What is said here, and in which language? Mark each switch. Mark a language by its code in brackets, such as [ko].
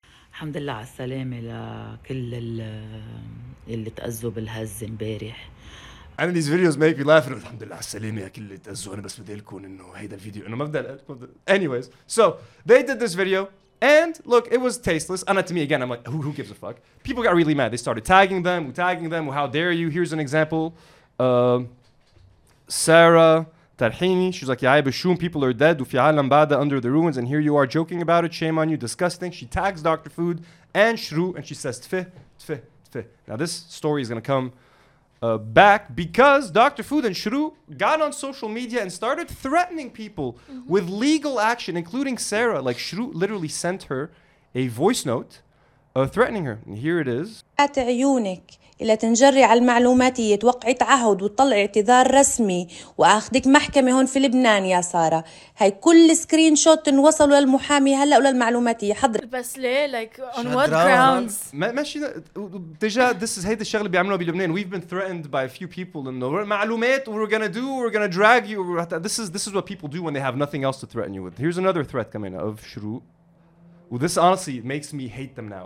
[ar] الحمد لله على السلامة لكل اللي تأذوا بالهز امبارح. [en] And these videos make me laugh. [ar] الحمد لله على السلامة لكل اللي تأذوا. أنا بس بدي لكم إنه هيدا الفيديو إنه مبدأ. [en] Anyways, so they did this video and look, it was tasteless. And to me again, I'm like, who gives a fuck? People got really mad. They started tagging them. How dare you? Here's an example. Sarah Tarhini, she's like, [ar] Ya'ib Ashum, [en] people are dead, [ar] Ufi Alam Bada [en] under the ruins, and here you are joking about it, shame on you, disgusting. She tags Dr. Food and Shru, and she says, Tfeh, Tfeh, Tfeh. Now, this story is going to come back because Dr. Food and Shru got on social media and started threatening people with legal action, including Sarah. Like, Shru literally sent her a voice note threatening her. And here it is. [ar] إلا تنجري على المعلوماتية توقعي تعهد وتطلع اعتذار رسمي وآخذك محكمة هون في لبنان يا سارة. هاي كل سكرين شوت وصلوا للمحامي هلأ وللمعلوماتية حضر. بس ليه؟ [en] Like on what grounds؟ [ar] ماشي دجا [en] this is [ar] هيدا الشغل بيعملوا بلبنان. [en] We've been threatened by a few people in the معلومات we're gonna do, we're gonna drag you. This is what people do when they have nothing else to threaten you with. Here's another threat coming out of Shru. Well, this honestly makes me hate them now.